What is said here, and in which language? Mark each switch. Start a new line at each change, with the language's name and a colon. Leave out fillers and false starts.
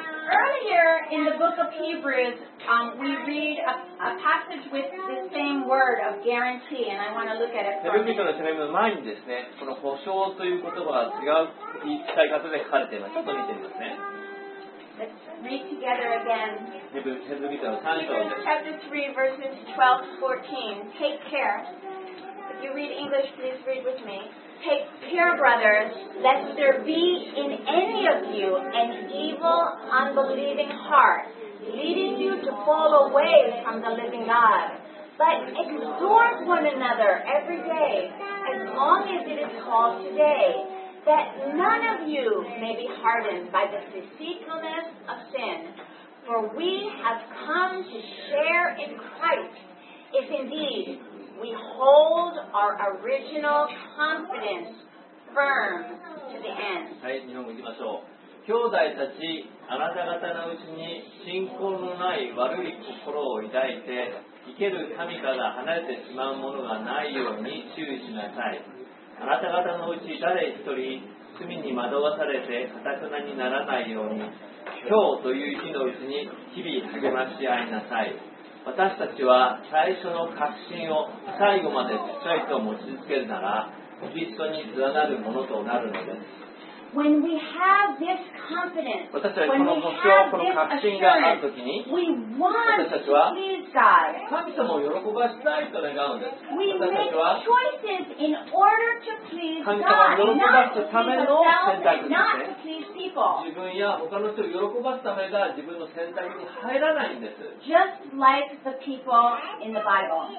English: Earlier in the book of Hebrews, we read a passage with the same word of guarantee, and I want to look at it for a minute.
Japanese: ヘブル人の手紙の前にですね、この保証という言葉が違う言い伝え方で書かれています。ちょっと見てみますね。
English: Let's read together again. Hebrews chapter 3, verses 12 to 14. Take care. If you read English, please read with me. Take care, brothers, lest there be in any of you an evil, unbelieving heart, leading you to fall away from the living God. But exhort one another every day, as long as it is called today. That none of you may be hardened by the deceitfulness of sin. For we have come to share in Christ, if indeed we hold our original confidence firm to the end.
Japanese: はい、日本語いきましょう。兄弟たち、あなた方のうちに信仰のない悪い心を抱いて、生ける神から離れてしまうものがないように注意しなさい。あなた方のうち誰一人罪に惑わされて堅くなにならないように今日という日のうちに日々励まし合いなさい。私たちは最初の確信を最後までしっかりと持ち続けるならキリストに連なるものとなるのです。
English: When we have this confidence,
Japanese: 私たちはこの保証、この確信があるときに、
English: we want to please God.
Japanese: 神様を喜ばしたいと願うんです。
English: We make choices in order to please God,
Japanese: 神様を喜ばすための選択です
English: ね。Not to please people.
Japanese: 自分や他の人を喜ばすためが自分の選択に入らないんです。
English: Just like the people in the Bible.